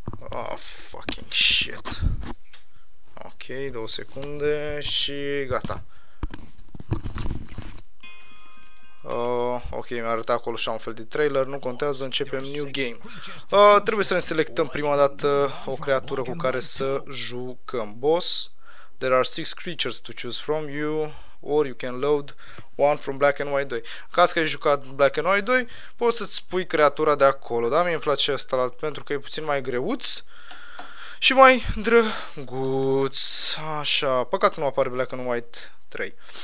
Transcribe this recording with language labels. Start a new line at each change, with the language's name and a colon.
English: Oh, fucking shit.
Romanian: Ok, două secunde și gata. Ok, mi-a arătat acolo așa un fel de trailer, nu contează, începem new game. Trebuie să ne selectăm prima dată o creatură cu care să jucăm.
English: Boss, there are six creatures to choose from you, or you can load one from Black and White 2.
Romanian: În caz că ai jucat Black and White 2, poți să-ți pui creatura de acolo, da? Mie îmi place asta pentru că e puțin mai greuț. Și mai drăguț. Așa, păcat că nu apare Black and White 3.